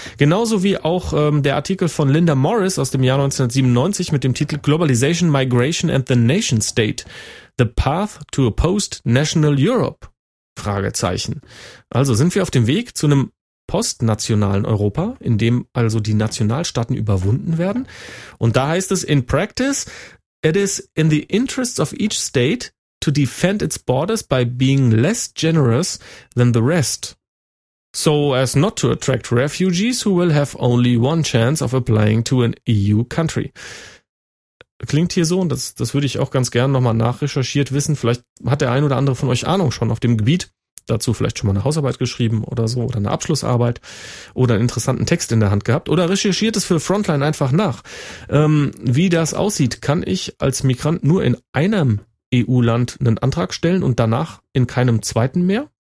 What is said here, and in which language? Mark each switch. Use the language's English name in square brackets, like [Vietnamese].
[German] Genauso wie auch der Artikel von Linda Morris aus dem Jahr 1997 mit dem Titel [English] Globalization, Migration and the Nation State. The Path to a Post-National Europe? Fragezeichen. [German] Also sind wir auf dem Weg zu einem postnationalen Europa, in dem also die Nationalstaaten überwunden werden? Und da heißt es, [English] in practice, it is in the interests of each state to defend its borders by being less generous than the rest, so as not to attract refugees who will have only one chance of applying to an EU country. [German] Klingt hier so, und das würde ich auch ganz gerne nochmal nachrecherchiert wissen. Vielleicht hat der ein oder andere von euch Ahnung schon auf dem Gebiet, dazu vielleicht schon mal eine Hausarbeit geschrieben oder so, oder eine Abschlussarbeit oder einen interessanten Text in der Hand gehabt. Oder recherchiert es für Frontline einfach nach. Wie das aussieht, kann ich als Migrant nur in einem EU-Land einen Antrag stellen und danach in keinem zweiten mehr?